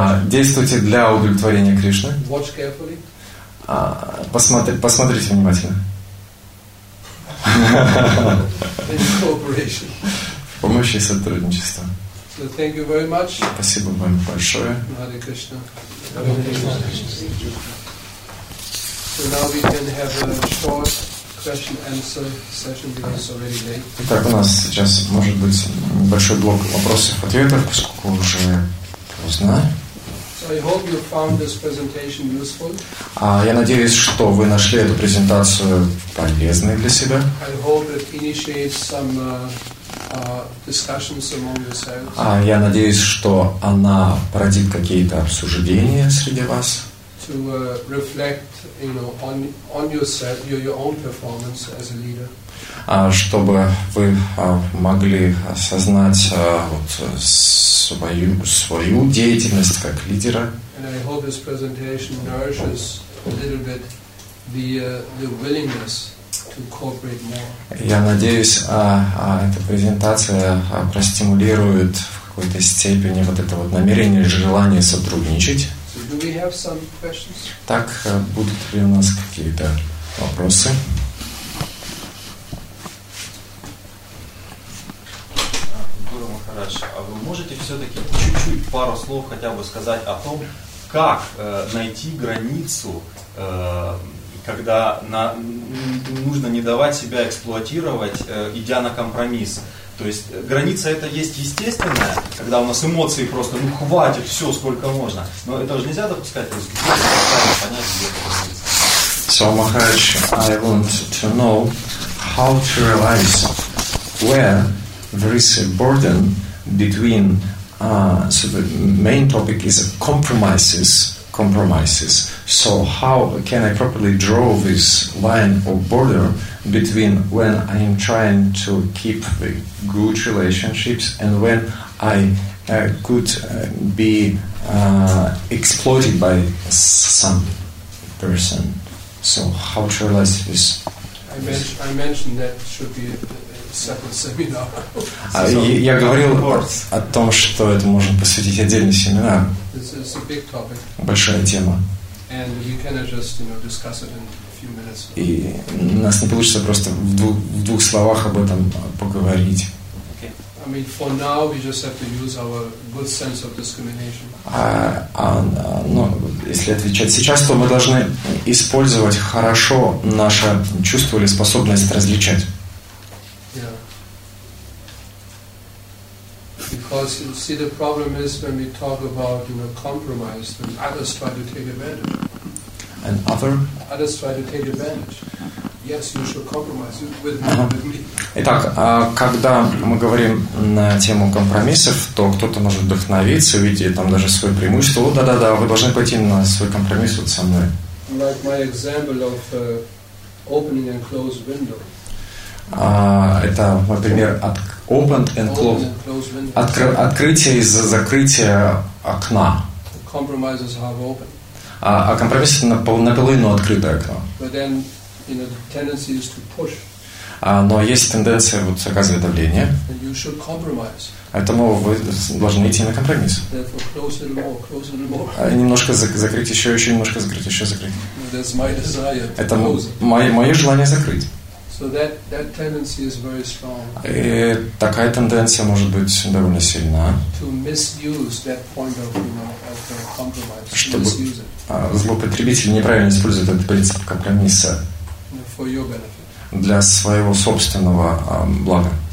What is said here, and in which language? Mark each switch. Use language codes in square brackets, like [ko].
[ru] Действуйте для удовлетворения Кришны. [en] Watch carefully. [ru] Посмотрите внимательно. В помощи и сотрудничества. [en] So thank you very much. [ru] Спасибо вам большое. [sa] Hare Krishna. [en] So now we can have a short question-answer session because it's already late. [ru] Итак, у нас сейчас может быть небольшой блок вопросов-ответов, поскольку уже поздно. [en] I hope you found this presentation useful. [ru] Я надеюсь, что вы нашли эту презентацию полезной для себя. [en] I hope it initiates some discussions among yourselves. [ru] Я надеюсь, что она породит какие-то обсуждения среди вас. [en] To reflect, you know, on yourself, your own performance as a leader. [ru] Чтобы вы могли осознать вот, свою деятельность как лидера. [en] And I hope this presentation nourishes a little bit the willingness to cooperate more. [ru] Я надеюсь, эта презентация простимулирует в какой-то степени вот это вот намерение, желание сотрудничать. [en] So do we have some questions? [ru] Так, будут ли у нас какие-то вопросы? А вы можете все-таки чуть-чуть пару слов хотя бы сказать о том, как найти границу, когда нужно не давать себя эксплуатировать, идя на компромисс? То есть граница это есть естественная, когда у нас эмоции просто, ну хватит, все, сколько можно. Но это же нельзя допускать, то есть где понять, где это граница. [en] So, Maharaj, I want to know how to realize where there is a burden between, so the main topic is compromises. So how can I properly draw this line or border between when I am trying to keep the good relationships and when I could be exploited by some person? So how to realize this? I mentioned that should be separate seminar. [ru] Я говорил о том, что это можно посвятить отдельный семинар. [en] It's a big topic. [ru] Большая тема. [en] And you cannot just, you know, discuss it in a few minutes. [ru] И у нас не получится просто в двух словах об этом поговорить. [en] Okay. I mean, for now we just have to use our good sense of discrimination. [ru] Но если отвечать сейчас, то мы должны использовать хорошо наше чувство или способность различать. [en] Because you see, the problem is when we talk about, you know, compromise, then others try to take advantage. And other? Others try to take advantage. Yes, you should compromise with me. [ru] Итак, когда мы говорим на тему компромиссов, то кто-то может вдохновиться, увидеть там даже свое преимущество. О, да, вы должны пойти на свой компромисс вот со мной. [en] Like my example of opening and closed window. [ru] Это, например, [en] opened and closed. [ru] Открытие и закрытие окна. [en] Compromise is half open. [ru] А компромисс это наполовину открытое окно. [en] But then, you know, the tendency is to push. [ru] Но есть тенденция вот оказывать давление. [en] And you should compromise. [ru] Поэтому вы должны идти на компромисс. [en] Therefore, closer and more, closer and more. [ru] Немножко закрыть, еще немножко закрыть, еще закрыть. [en] That's my desire to close. [ru] Это мое желание закрыть. [en] So that tendency is very strong. [ru] И такая тенденция может быть довольно сильна. [en] To misuse that point of, you know, of the compromise. [ru] Чтобы злоупотребитель неправильно использует этот принцип компромисса. [en] For your benefit. [ru] Для своего собственного блага.